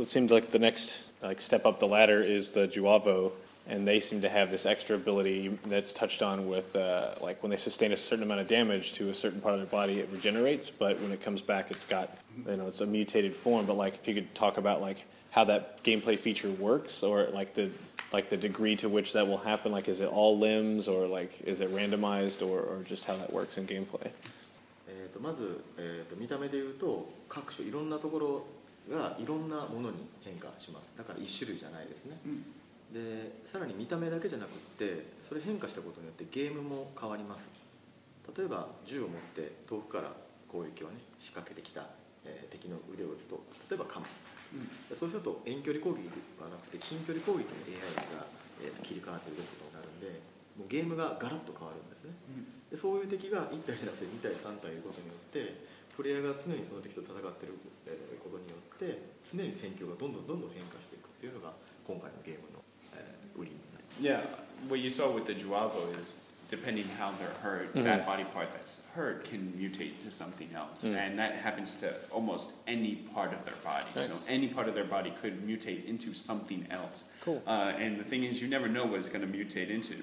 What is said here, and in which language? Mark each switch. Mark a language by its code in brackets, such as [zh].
[en] It seems like the next like step up the ladder is the Juavo, and they seem to have this extra ability that's touched on with, like, when they sustain a certain amount of damage to a certain part of their body, it regenerates, but when it comes back, it's got, you know, it's a mutated form. But, like, if you could talk about, like, how that gameplay feature works, or, like the degree to which that will happen, like, is it all limbs, or, like, is it randomized, or just how that works in gameplay? [ja] まず、見た目で言うと各所いろんなところがいろんなものに変化します。だから一種類じゃないですね、でさらに見た目だけじゃなくってそれ変化したことによってゲームも変わります。例えば銃を持って遠くから攻撃を、ね、仕掛けてきた、敵の腕を打つと例えば構え、そうすると遠距離攻撃ではなくて近距離攻撃の AI が、切り替わって動くことになるんでもうゲームがガラッと変わるんですね、でそういう敵が1体じゃなくて2体3体いることによってプレイヤーが常にその敵と戦っていることによって常に戦況がどんどんどんどん変化していくっていうのが今回のゲームの、売りになります。 [en] Yeah, what you saw with the Juavo is depending how they're hurt, that body part that's hurt can mutate to something else, and that happens to almost any part of their body. Nice. So any part of their body could mutate into something else. Cool. And the thing is, you never know what it's going to mutate into.